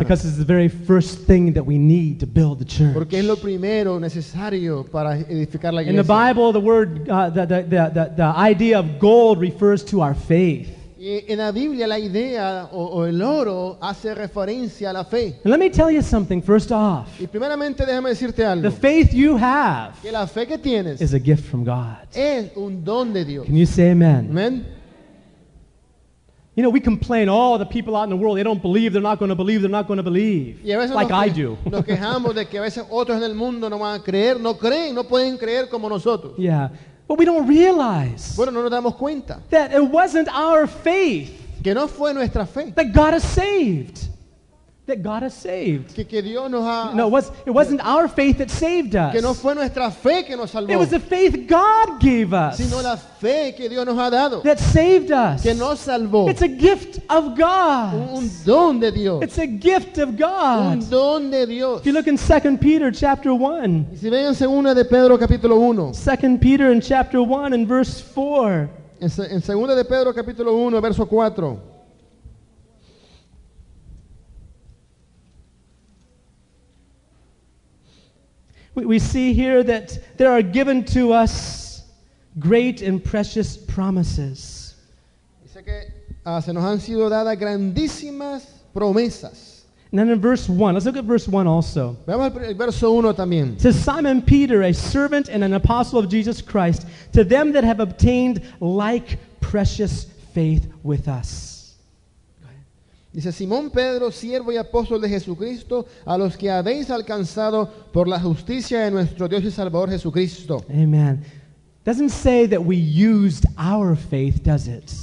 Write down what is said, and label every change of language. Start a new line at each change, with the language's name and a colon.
English: Because it's the very first thing that we need to build the church.
Spanish: Porque es lo primero necesario para edificar la iglesia.
English: In the Bible, the word the idea of gold refers to our faith.
Spanish: En la Biblia la idea o el oro hace referencia a la fe.
English: And let me tell you something first off.
Spanish: Y primeramente déjame decirte algo.
English: The faith you have
Spanish: que la fe que tienes
English: is a gift from God.
Spanish: Es un don de Dios.
English: Can you say amen?
Spanish: Amen.
English: You know, we complain, oh, the people out in the world, they don't believe, they're not going to believe, they're not going to believe. Like I do.
Spanish: Nos quejamos de que a veces otros en el mundo no van a creer, no creen, no pueden creer como nosotros.
English: Yeah. But we don't realize
Spanish: bueno, no nos damos cuenta
English: that it wasn't our faith
Spanish: que no fue nuestra fe.
English: That God has saved. That God has saved.
Spanish: Que Dios nos ha,
English: no, it wasn't our faith that saved us.
Spanish: Que no fue nuestra fe que nos salvó.
English: It was the faith God gave us
Spanish: sino la fe que Dios nos ha dado.
English: That saved us.
Spanish: Que nos salvó.
English: It's a gift of God.
Spanish: Un don de Dios.
English: It's a gift of God.
Spanish: Un don de Dios.
English: If you look in 2 Peter chapter 1.
Spanish: Y si ven en segunda de Pedro capítulo 1.
English: 2 Peter in chapter 1 and verse 4.
Spanish: En segunda de Pedro capítulo 1 verso 4.
English: We see here that there are given to us great and precious promises.
Spanish: Dice que se nos han sido dadas grandísimas promesas.
English: And then in verse 1, let's look at verse 1 also.
Spanish: Veamos el verso 1 también.
English: To Simon Peter, a servant and an apostle of Jesus Christ, to them that have obtained like precious faith with us.
Spanish: Dice Simón Pedro, siervo y apóstol de Jesucristo, a los que habéis alcanzado por la justicia de nuestro Dios y Salvador Jesucristo. Amen.
English: Doesn't say that we used our faith, does it?